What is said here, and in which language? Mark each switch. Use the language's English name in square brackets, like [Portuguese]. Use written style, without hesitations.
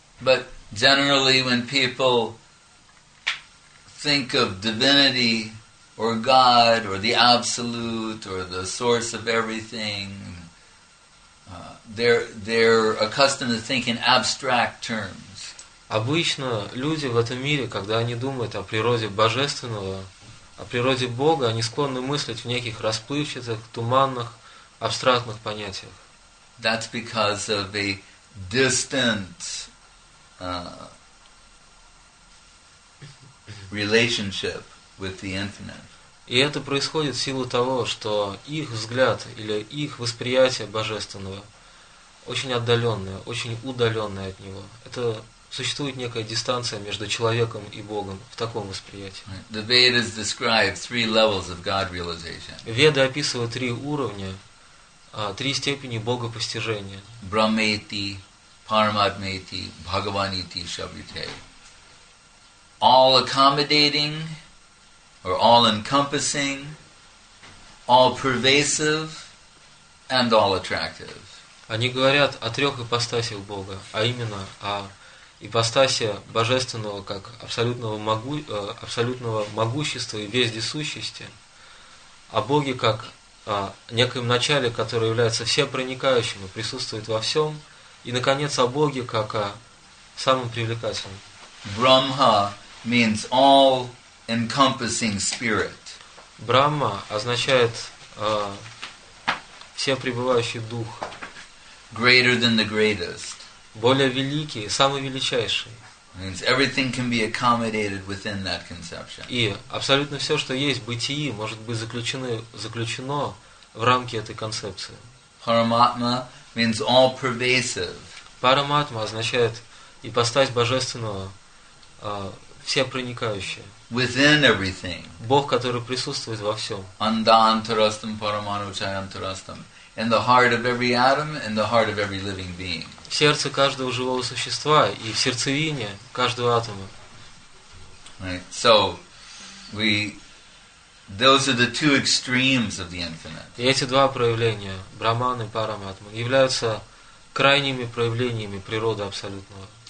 [English] But generally when people think of divinity or God or the absolute or the source of everything, they're accustomed to think in abstract terms. [Russian] Обычно люди в этом мире, когда они думают о природе божественного, о природе Бога, они склонны мыслить в неких расплывчатых, туманных, абстрактных понятиях. [English] That's because of a distant relationship with the infinite. [Russian] И это происходит в силу того, что их взгляд или их восприятие божественного очень отдаленное, очень удаленное от него. Это существует некая дистанция между человеком и Богом в таком восприятии. [English] The Vedas describe three levels of God realization. [Russian] Веды описывают три уровня, три степени богопостижения. [Sanskrit] Брахмети, Парамадмети, Бхагаванити, Шабритей. [English] All accommodating, or all encompassing, all pervasive, and all attractive. [Russian] Они говорят о трех ипостасях Бога, а именно о ипостаси божественного как абсолютного могущества и вездесущести, а Боге как некоем начале, которое является всепроникающим и присутствует во всем, и, наконец, о Боге как о самом привлекательном. [English] Brahma means all-encompassing spirit. [Russian] Брахма означает всепребывающий дух. [English] Greater than the greatest. [Russian] Более великий, самый величайший. [English] Means everything can be accommodated within that conception. [Russian] И абсолютно все, что есть бытие, может быть заключено в рамки этой концепции. [English] Paramatma means all pervasive. [Russian] Параматма означает ипостась божественного, всепроникающая. [English] Within everything. [Russian] Бог, который присутствует во всем. [Sanskrit] Анда антарастам параману чаянтарастам. [English] In the heart of every atom, in the heart of every living being. [Russian] В сердце каждого живого существа и в сердцевине каждого атома. [English] Right. So, those are the two extremes of the infinite. [Russian] И эти два проявления, Брахман и Параматма, являются крайними проявлениями природы абсолютного.